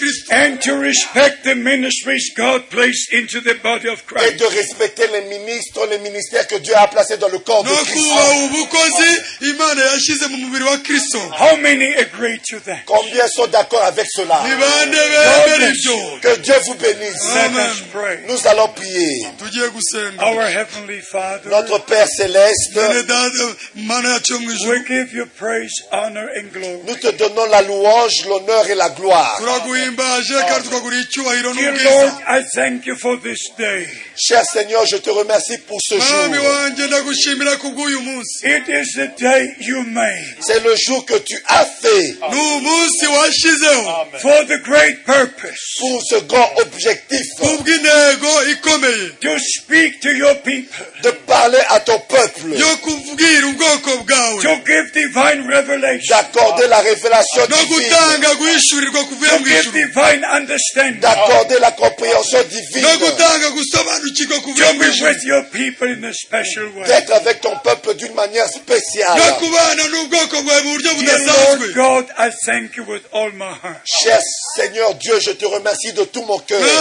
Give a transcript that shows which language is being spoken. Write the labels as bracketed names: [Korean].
[English] And to respect the ministries God placed into the body of Christ. [French] Et de respecter les ministres, les ministères que Dieu a placés dans le corps de Christ. [English] How many agree to that? [French] Combien sont d'accord avec cela? [English] God bless you. [French] Que Dieu vous bénisse. [English] Let us pray. [French] Nous allons prier. [English] Our Heavenly Father, [French] notre Père Céleste, [English] we give you praise, honor and glory. [French] Nous te donnons la louange, l'honneur et la gloire. [English] Dear Lord, I thank you for this day. [French] Cher Seigneur, je te remercie pour ce jour. [English] It is the day you made. [French] C'est le jour que tu as fait. [English] Amen. For the great purpose. [French] Pour ce grand objectif. [English] To speak to your people. [French] De parler à ton peuple. [English] To give divine revelation. [French] D'accorder la révélation divine. [English] To give divine understanding. [French] D'accorder la compréhension divine. [English] To be with your people in a special way. [French] D'être avec ton peuple d'une manière spéciale. [English] Dear Lord God, I thank you with all my heart. [French] Cher Seigneur Dieu, je te remercie de tout mon cœur.